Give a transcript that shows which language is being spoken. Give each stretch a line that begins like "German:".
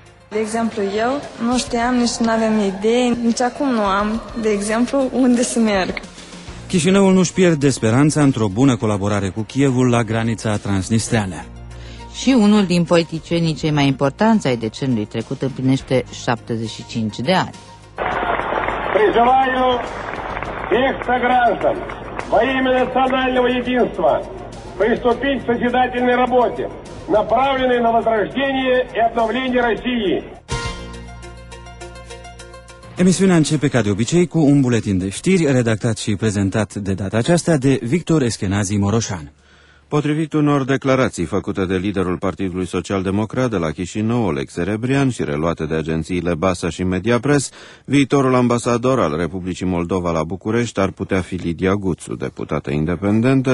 Romanian: De exemplu, eu nu știam, nici nu aveam idei, nici acum nu am, de exemplu, unde să merg. Chișinăul nu-și pierde speranța într-o bună colaborare cu Kievul la granița transnistreană. Și unul din politicienii cei mai importanți ai decenului trecut împlinește 75 de ani.
Russian: Призываю всех сограждан во имя национального единства приступить к созидательной работе, направленной на возрождение и обновление России.
Romanian: Emisiunea începe ca de obicei cu un buletin de știri redactat și prezentat de data aceasta de Victor Eschenazi Moroșan. Potrivit unor declarații făcute de liderul Partidului Social-Democrat de la Chișinău, Oleg Serebrian, și reluate de agențiile BASA și Mediapres, viitorul ambasador al Republicii Moldova la București ar putea fi Lidia Guțu, deputată independentă.